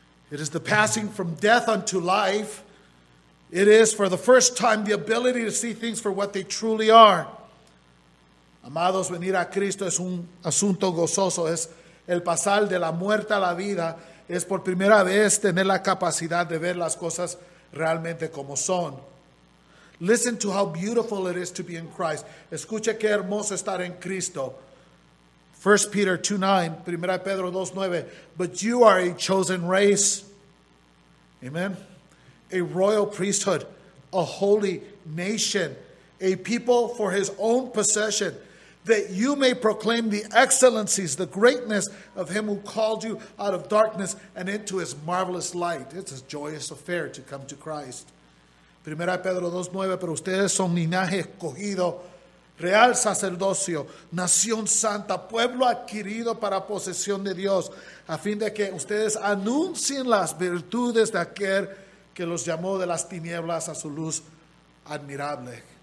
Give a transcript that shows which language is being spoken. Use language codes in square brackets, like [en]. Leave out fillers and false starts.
[en] It is the passing from death unto life. It is, for the first time, the ability to see things for what they truly are. [es] Amados, venir a Cristo es un asunto gozoso. Es el pasar de la muerte a la vida. Es por primera vez tener la capacidad de ver las cosas realmente como son. [en] Listen to how beautiful it is to be in Christ. [es] Escuche qué hermoso estar en Cristo. [en] 1 Peter 2:9, 1 Pedro 2:9, but you are a chosen race, amen, a royal priesthood, a holy nation, a people for his own possession, that you may proclaim the excellencies, the greatness of him who called you out of darkness and into his marvelous light. It's a joyous affair to come to Christ. [es] 1 Pedro 2:9, pero ustedes son linaje escogido, real sacerdocio, nación santa, pueblo adquirido para posesión de Dios, a fin de que ustedes anuncien las virtudes de aquel que los llamó de las tinieblas a su luz admirable.